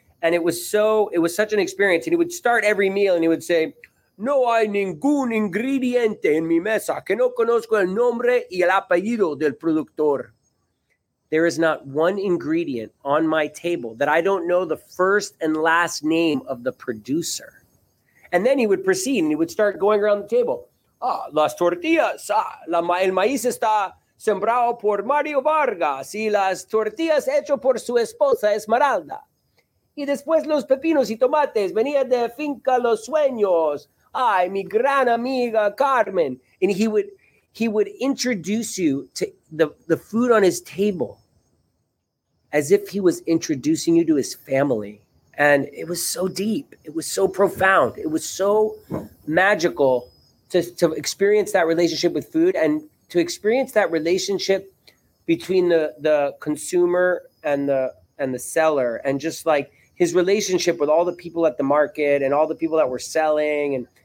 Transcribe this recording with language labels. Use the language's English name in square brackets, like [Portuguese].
[English] And it was such an experience. And he would start every meal and he would say, [Spanish] no hay ningún ingrediente en mi mesa que no conozco el nombre y el apellido del productor. [English] There is not one ingredient on my table that I don't know the first and last name of the producer. And then he would proceed and he would start going around the table. [Spanish] Ah, las tortillas, ah, el maíz está sembrado por Mario Vargas y las tortillas hecho por su esposa Esmeralda. Y después los pepinos y tomates venía de finca Los Sueños. Ay, mi gran amiga Carmen. [English] And he would introduce you to the food on his table as if he was introducing you to his family. And it was so deep. It was so profound. It was so magical to experience that relationship with food and to experience that relationship between the consumer and the seller, and just like his relationship with all the people at the market and all the people that were selling.